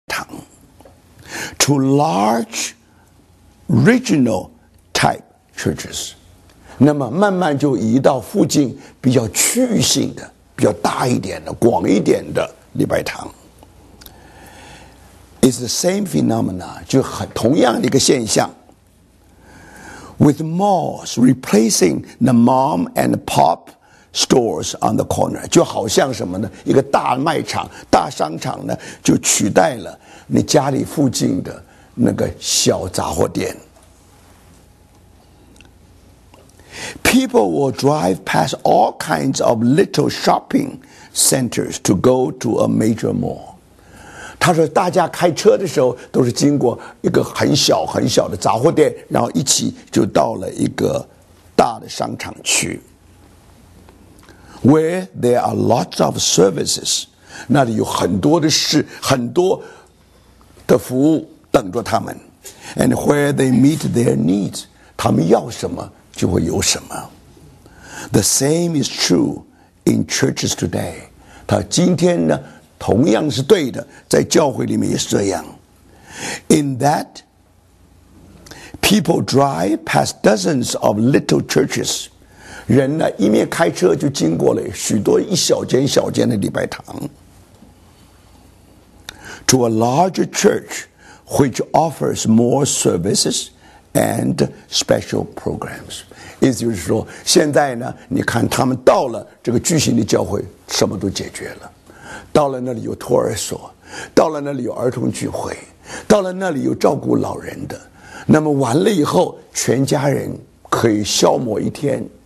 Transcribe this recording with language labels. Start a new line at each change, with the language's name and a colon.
Chinese: 场，
English: to large regional type churches，
Chinese: 那么慢慢就移到附近比较区域性的、比较大一点的、广一点的礼拜堂。
English: It's the same phenomena，
Chinese: 就很同样的一个现象。
English: With malls replacing the mom and pop stores on the corner，
Chinese: 就好像什么呢？一个大卖场、大商场呢，就取代了你家里附近的那个小杂货店。
English: People will drive past all kinds of little shopping centers to go to a major mall。
Chinese: 他说大家开车的时候都是经过一个很小很小的杂货店，然后一起就到了一个大的商场区。
English: Where there are lots of services，
Chinese: 那里有很多的事，很多的服务等着他们。
English: And where they meet their needs，
Chinese: 他们要什么就会有什么。
English: The same is true in churches today。
Chinese: 他今天呢同样是对的，在教会里面也是这样。
English: In that, people drive past dozens of little churches.
Chinese: 人呢，一面开车就经过了许多一小间小间的礼拜堂。
English: To a larger church, which offers more services and special programs.
Chinese: 意思就是说，现在呢，你看他们到了这个巨型的教会，什么都解决了。到了那里有托儿所，到了那里有儿童聚会，到了那里有照顾老人的，那么完了以后全家人可以消磨一天。